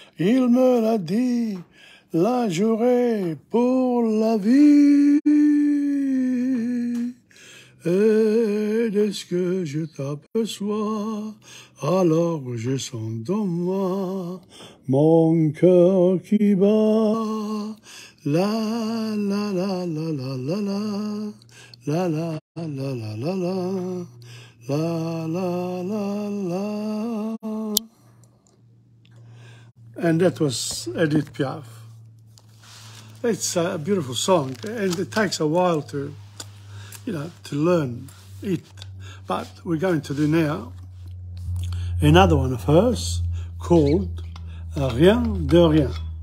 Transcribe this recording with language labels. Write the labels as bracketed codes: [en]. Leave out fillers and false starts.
[fr] Il me l'a dit, la jurée pour la vie. Et est-ce que je t'aperçois, alors je sens dans moi mon cœur qui bat. La la la la la la la la la la la la la la la la la. [en] And that was Edith Piaf. It's a beautiful song, and it takes a while to, you know, to learn it. But we're going to do now another one of hers called Rien de Rien.